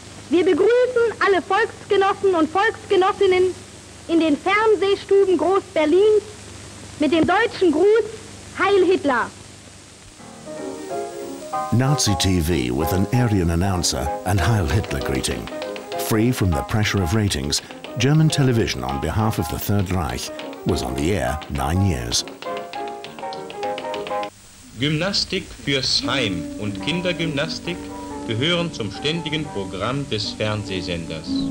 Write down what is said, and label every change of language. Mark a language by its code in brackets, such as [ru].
[de] Wir begrüßen alle Volksgenossen und Volksgenossinnen in den Fernsehstuben Groß-Berlins mit dem deutschen Gruß Heil Hitler. [en] Nazi TV with an Aryan announcer and Heil Hitler greeting. Free from the pressure of ratings, German television on behalf of the Third Reich was on the air 9 years. [de] Gymnastik fürs Heim und Kindergymnastik gehören zum ständigen Programm des Fernsehsenders.